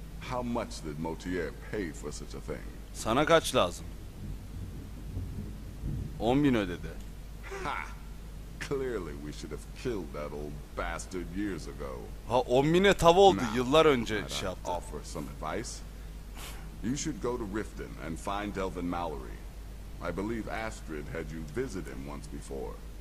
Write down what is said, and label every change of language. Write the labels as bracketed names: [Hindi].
[English] How much did Motier pay for such a thing? [Turkish] Sana kaç lazım? 10.000 ödedi. [English] Ha! Clearly we should have killed that old bastard years ago. [Turkish] Ha, 10.000'e tav oldu. Now, yıllar önce şey yaptı. [English] Offer some advice. You should go to Riften and find Delvin Mallory. I believe Astrid had you visit him once before.